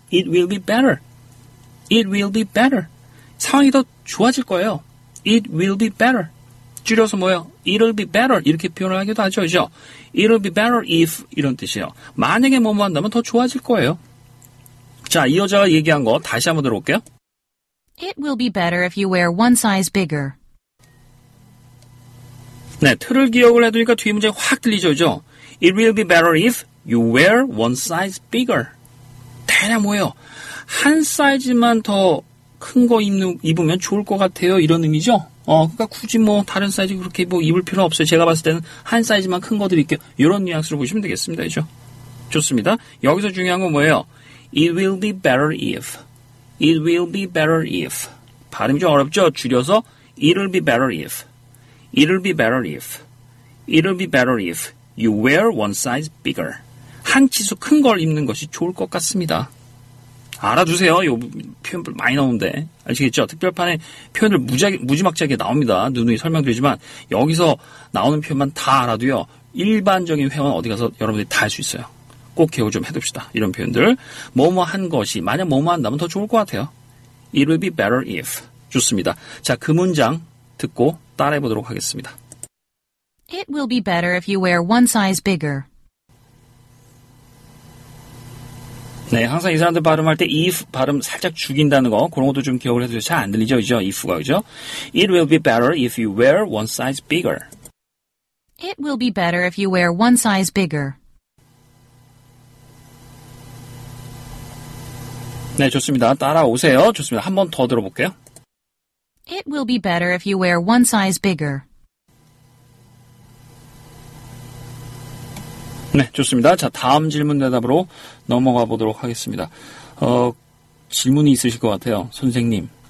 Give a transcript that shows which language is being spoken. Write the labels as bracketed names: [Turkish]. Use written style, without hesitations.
[English] It will be better. It will be better. [Korean] 상황이 더 좋아질 거예요. [English] It will be better. [Korean] 줄여서 뭐예요? [English] It'll be better. [Korean] 이렇게 표현을 하기도 하죠. 그죠? [English] It'll be better if. [Korean] 이런 뜻이에요. 만약에 뭐뭐 한다면 더 좋아질 거예요. 자, 이 여자가 얘기한 거 다시 한번 들어볼게요. [English] It will be better if you wear one size bigger. [Korean] 네, 틀을 기억을 해두니까 뒤에 문제가 확 들리죠. 그죠? [English] It will be better if you wear one size bigger. [Korean] 대략 뭐예요? 한 사이즈만 더 큰 거 입으면 좋을 것 같아요. 이런 의미죠? 그러니까 굳이 뭐 다른 사이즈 그렇게 뭐 입을 필요 없어요. 제가 봤을 때는 한 사이즈만 큰 거 드릴게요. 이런 뉘앙스로 보시면 되겠습니다. 그죠? 좋습니다. 여기서 중요한 건 뭐예요? [English] It will be better if. It will be better if. [Korean] 발음이 좀 어렵죠? 줄여서 [English] It'll be better if. It'll be better if. It'll be better if you wear one size bigger. [Korean] 한 치수 큰 걸 입는 것이 좋을 것 같습니다. 알아두세요. 이 표현 많이 나오는데. 아시겠죠? 특별판에 표현을 무지막지하게 나옵니다. 누누이 설명드리지만 여기서 나오는 표현만 다 알아두요. 일반적인 회화는 어디 가서 여러분들이 다 할 수 있어요. 꼭 기억을 좀 해둡시다. 이런 표현들. 뭐뭐 한 것이 만약 뭐뭐 한다면 더 좋을 것 같아요. [English] It will be better if. [Korean] 좋습니다. 자, 그 문장 듣고 따라해보도록 하겠습니다. [English] It will be better if you wear one size bigger. [Korean] 네, 항상 이 사람들 발음할 때 if 발음 살짝 죽인다는 거, 그런 것도 좀 기억을 해두세요. 잘 안 들리죠, 그죠? if가, 그죠? [English] It will be better if you wear one size bigger. It will be better if you wear one size bigger. [Korean] 네, 좋습니다. 따라오세요. 좋습니다. 한 번 더 들어볼게요. [English] It will be better if you wear one size bigger. [Korean] 네, 좋습니다. 자, 다음 질문 대답으로 넘어가 보도록 하겠습니다. 질문이 있으실 것 같아요. 선생님.